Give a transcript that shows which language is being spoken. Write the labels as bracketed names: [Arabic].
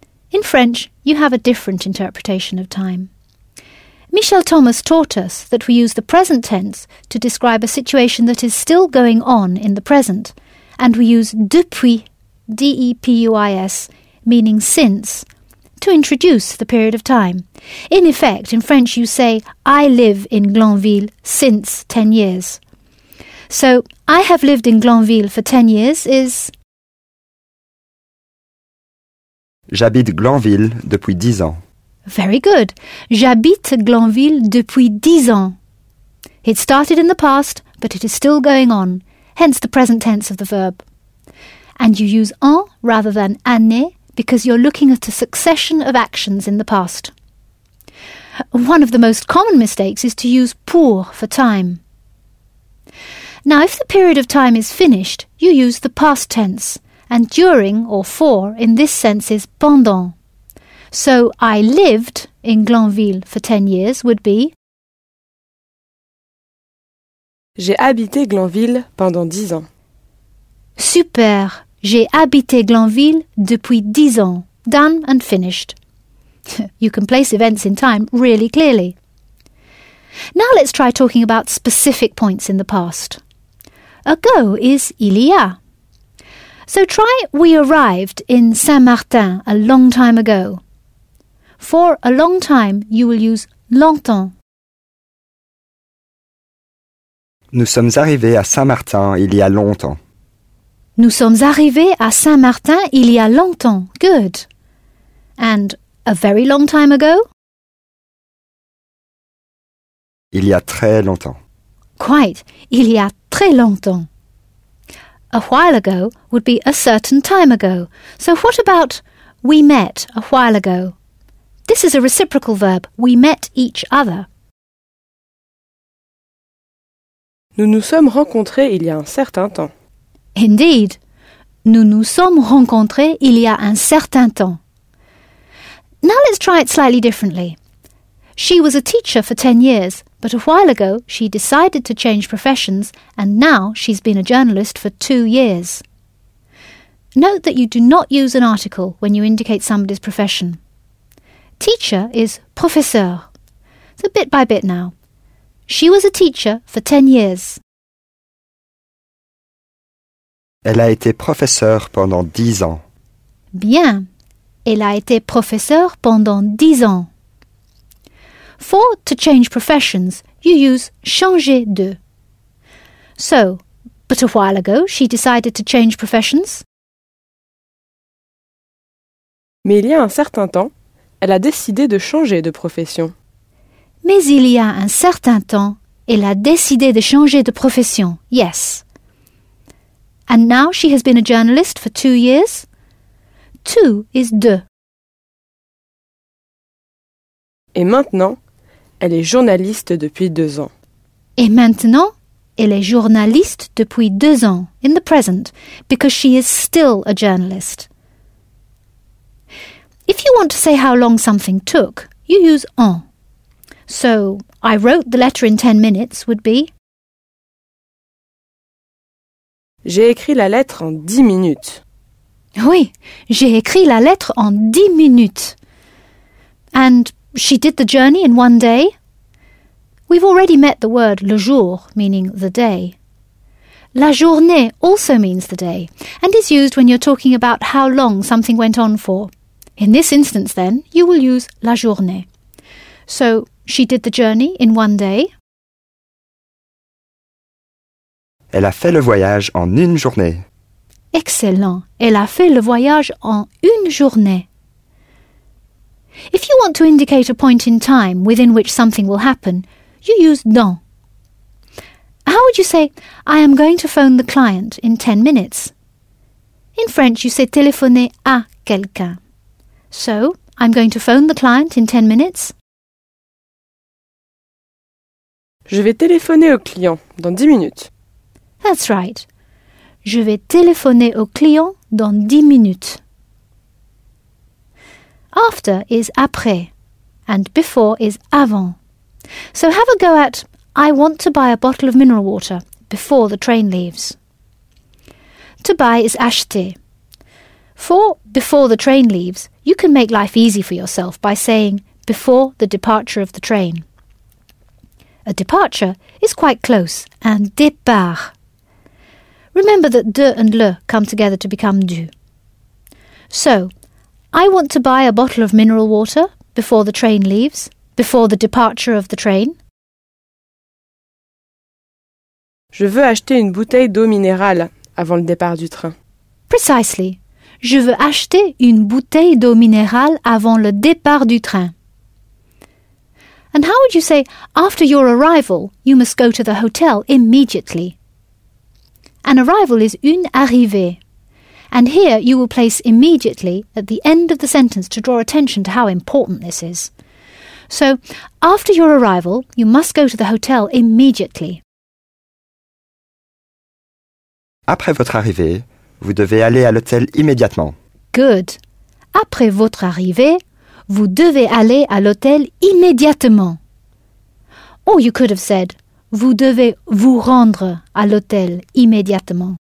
[English] In French, you have a different interpretation of time. Michel Thomas taught us that we use the present tense to describe a situation that is still going on in the present, and we use depuis, D-E-P-U-I-S, meaning since, to introduce the period of time. In effect, in French you say, I live in Glanville since 10 years. So, I have lived in Glanville for 10 years is... [French] J'habite Glanville depuis 10 ans. [English] Very good. [French] J'habite Glanville depuis 10 ans. [English] It started in the past, but it is still going on, hence the present tense of the verb. And you use en rather than année because you're looking at a succession of actions in the past. One of the most common mistakes is to use pour for time. Now, if the period of time is finished, you use the past tense, and during or for in this sense is pendant. So, I lived in Glanville for 10 years would be... [French] J'ai habité Glanville pendant 10 ans. [English] Super! [French] J'ai habité Glanville depuis 10 ans. [English] Done and finished. You can place events in time really clearly. Now let's try talking about specific points in the past. Ago is il y a. So try we arrived in Saint-Martin a long time ago. For a long time, you will use longtemps. [French] Nous sommes arrivés à Saint-Martin il y a longtemps. Nous sommes arrivés à Saint-Martin il y a longtemps. [English] Good. And a very long time ago? [French] Il y a très longtemps. [English] Quite. [French] Il y a très longtemps. [English] A while ago would be a certain time ago. So what about we met a while ago? This is a reciprocal verb. We met each other. [French] Nous nous sommes rencontrés il y a un certain temps. [English] Indeed. [French] Nous nous sommes rencontrés il y a un certain temps. [English] Now let's try it slightly differently. She was a teacher for 10 years, but a while ago she decided to change professions and now she's been a journalist for 2 years. Note that you do not use an article when you indicate somebody's profession. Teacher is professeur. So bit by bit now. She was a teacher for 10 years. [French] Elle a été professeur pendant 10 ans. Bien. Elle a été professeur pendant 10 ans. [English] For to change professions, you use changer de. So, but a while ago, she decided to change professions. [French] Mais il y a un certain temps, elle a décidé de changer de profession. Mais il y a un certain temps, elle a décidé de changer de profession. [English] Yes. And now she has been a journalist for 2 years. 2 is 2. [French] Et maintenant, elle est journaliste depuis 2 ans. Et maintenant, elle est journaliste depuis 2 ans, [English] in the present, because she is still a journalist. If you want to say how long something took, you use en. So, I wrote the letter in 10 minutes would be... [French] J'ai écrit la lettre en 10 minutes. Oui, j'ai écrit la lettre en 10 minutes. [English] And she did the journey in 1 day? We've already met the word le jour, meaning the day. La journée also means the day, and is used when you're talking about how long something went on for. In this instance, then, you will use la journée. So, she did the journey in 1 day. [French] Elle a fait le voyage en une journée. [English] Excellent. [French] Elle a fait le voyage en une journée. [English] If you want to indicate a point in time within which something will happen, you use dans. How would you say, I am going to phone the client in 10 minutes? In French, you say téléphoner à quelqu'un. So, I'm going to phone the client in 10 minutes. [French] Je vais téléphoner au client dans 10 minutes. [English] That's right. [French] Je vais téléphoner au client dans 10 minutes. [English] After is après. and before is avant. So have a go at I want to buy a bottle of mineral water before the train leaves. To buy is acheter. For before the train leaves, you can make life easy for yourself by saying before the departure of the train. A departure is quite close, un départ. Remember that de and le come together to become du. So, I want to buy a bottle of mineral water before the train leaves, before the departure of the train. [French] Je veux acheter une bouteille d'eau minérale avant le départ du train. [English] Precisely. [French] Je veux acheter une bouteille d'eau minérale avant le départ du train. [English] And how would you say, after your arrival, you must go to the hotel immediately? An arrival is une arrivée. And here you will place immediately at the end of the sentence to draw attention to how important this is. So, after your arrival, you must go to the hotel immediately. [French] Après votre arrivée, vous devez aller à l'hôtel immédiatement. [English] Good. [French] Après votre arrivée, vous devez aller à l'hôtel immédiatement. [English] Or you could have said, [French] vous devez vous rendre à l'hôtel immédiatement.